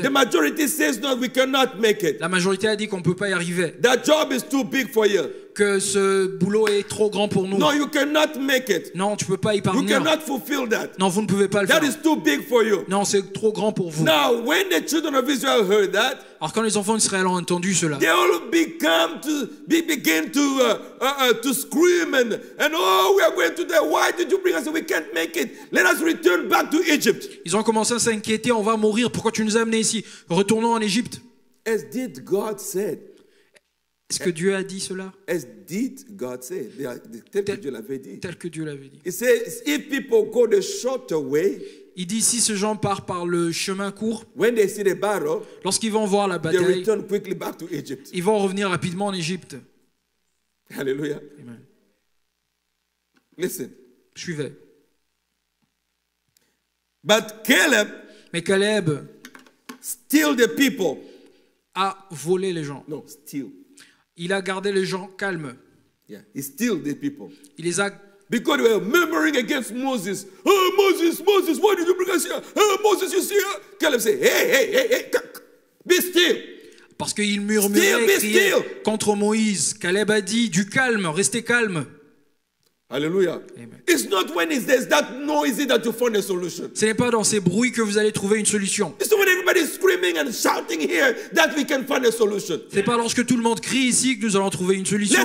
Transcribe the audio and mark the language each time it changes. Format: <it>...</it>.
<en>The majority says no, we cannot make it.</en> <fr>La majorité a dit qu'on peut pas y arriver.</fr> <en>That job is too big for you.</en> <fr>Que ce boulot est trop grand pour nous.</fr> <en>No, you cannot make it.</en> <fr>Non, tu peux pas y parvenir.</fr> <en>You cannot fulfill that.</en> <fr>Non, vous ne pouvez pas le</fr> <en>that</en> <fr>faire.</fr> <en>That is too big for you.</en> <fr>Non, c'est trop grand pour vous.</fr> <en>Now when the children of Israel heard that,</en> <fr>alors quand les enfants d'Israël ont entendu cela,</fr> <en>they all become to be begin to to scream and oh, we are going to die. Why did you bring us? We can't make it. Let us return back to Egypt.</en> <fr>Ils ont commencé à s'inquiéter. On va mourir. Pourquoi tu nous as amenés ici? Retournons en Égypte.</fr> <en>As did God said.</en> <fr>Est-ce que Dieu a dit cela?</fr> <en>As did God said.</en> <fr>Tel que Dieu l'avait dit. Tel que Dieu l'avait dit.</fr> <en>He says, if people go the shorter way.</en> <fr>Il dit si ces gens partent par le chemin court.</fr> <en>When they see the battle.</en> <fr>Lorsqu'ils vont voir la bataille.</fr> <en>They return quickly back to Egypt.</en> <fr>Ils vont revenir rapidement en Égypte. Alléluia. Amen.</fr> <en>Listen.</en> <fr>Suivez.</fr> <en>But Caleb.</en> <fr>Mais Caleb.</fr> <en>Steal the people.</en> <fr>A volé les gens.</fr> <en>No, steal.</en> <fr>Il a gardé les gens calmes.</fr> <en>Yeah, he steal the people.</en> <fr>Il les a.</fr> <en>Because they were murmuring against Moses. Oh, Moses, Moses, why did you bring us here? Oh, Moses, you see? Caleb said, hey, be still.</en> <fr>Parce qu'il murmurait et criait contre Moïse. Caleb a dit, du calme, restez calme. Alléluia.</fr> <en>It's not when there's that noise that you find a solution.</en> <fr>Ce n'est pas dans ces bruits que vous allez trouver une solution.</fr> <en>It's not when everybody's screaming and shouting here that we can find a solution.</en> <fr>C'est pas lorsque tout le monde crie ici que nous allons trouver une solution.</fr>